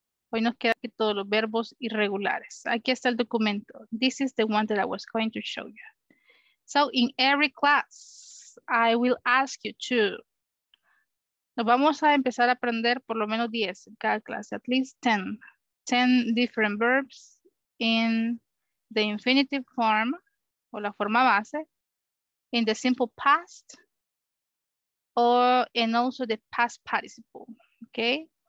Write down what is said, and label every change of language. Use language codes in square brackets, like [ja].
[es] Hoy nos queda aquí todos los verbos irregulares. Aquí está el documento. [en] This is the one that I was going to show you. So in every class, I will ask you to. [es] Nos vamos a empezar a aprender por lo menos 10 en cada clase. [en] At least 10. 10 different verbs in the infinitive form [es] o la forma base. [en] In the simple past. Or in also the past participle. Okay.